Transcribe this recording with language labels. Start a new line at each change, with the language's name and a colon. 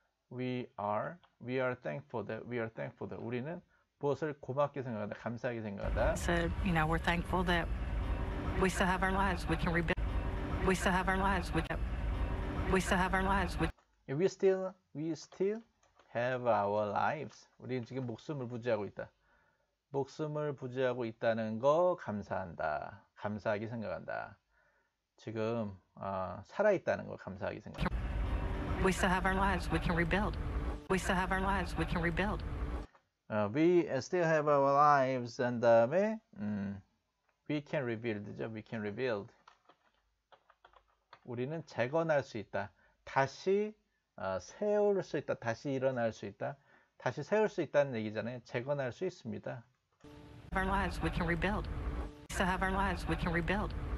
English: We are thankful that, we are thankful that.
Korean: 우리는 무엇을 고맙게 생각한다, 감사하게 생각한다.
English: I said, you know, we're thankful that we still have our lives, we can rebuild. We still have our lives, we still have our lives. We still have our lives.
Korean: 우리는 지금 목숨을 부지하고 있다. 목숨을 부지하고 있다는 거 감사한다. 감사하게 생각한다. 지금 살아있다는 거 감사하게 생각한다.
English: We still have our lives. We can rebuild. We still have our lives. We can rebuild. We still have our lives.
Korean: 한 다음에
English: we can rebuild죠. We can rebuild.
Korean: 우리는 재건할 수 있다. 다시 세울 수 있다. 다시 일어날 수 있다. 다시 세울 수 있다는 얘기잖아요. 재건할 수 있습니다.
English: Our lives, we can rebuild. We still have our lives, we can rebuild.